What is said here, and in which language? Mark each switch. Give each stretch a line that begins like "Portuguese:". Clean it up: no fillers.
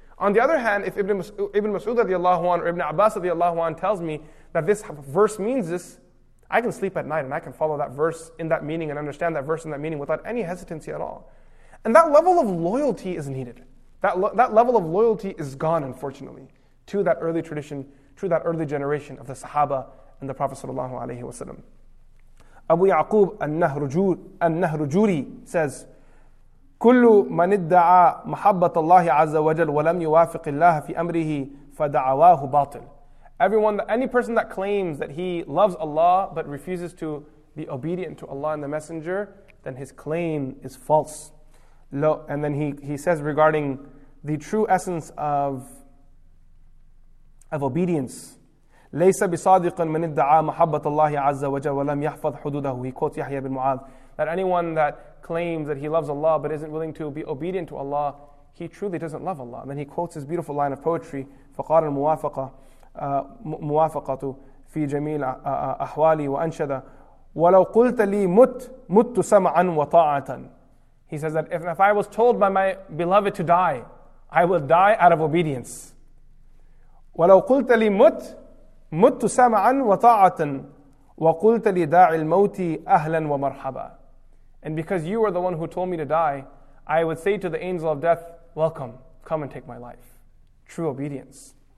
English: On the other hand, if Ibn Mas'ud radiallahu anhu or Ibn Abbas radiallahu anhu tells me that this verse means this, I can sleep at night and I can follow that verse in that meaning and understand that verse in that meaning without any hesitancy at all. And that level of loyalty is needed. That level of loyalty is gone, unfortunately, to that early tradition, to that early generation of the Sahaba and the Prophet sallallahu alaihi wasallam. Abu Ya'qub an-Nahrujuri says,
Arabic: كُلُّ مَنِ ادَّعَى مَحَبَّةَ اللَّهِ عَزَّ وَجَلَّ وَلَمْ يُوَافِقِ اللَّهَ فِي أَمْرِهِ فَدَعَوَاهُ بَاطِلٌ.
English: Everyone, any person that claims that he loves Allah but refuses to be obedient to Allah and the Messenger, then his claim is false. And then he says regarding the true essence of obedience,
Arabic: لَيْسَ بِصَادِقٍ مَنِ ادَّعَى مَحَبَّةَ اللَّهِ عَزَّ وَجَلَّ وَلَمْ يَحْفَظْ حُدُودَهُ.
English: He quotes Yahya bin Mu'adh, that anyone that claims that he loves Allah but isn't willing to be obedient to Allah, he truly doesn't love Allah. And then he quotes his beautiful line of poetry,
Arabic: فَقَالَ الْمُوَافَقَةُ فِي جَمِيلَ أَحْوَالِي وَأَنْشَدَ وَلَوْ قُلْتَ لِي مُتْتُ سَمْعًا وَطَاعَةً.
English: He says that if I was told by my beloved to die, I will die out of obedience.
Arabic: وَلَوْ قُلْتَ لِي مُتْتُ سَمْعًا وَطَاعَةً وَقُلْتَ لِدَاعِ الْمَوْتِ أَهْلًا وَمَرْحَبًا.
English: And because you are the one who told me to die, I would say to the angel of death, welcome, come and take my life. True obedience.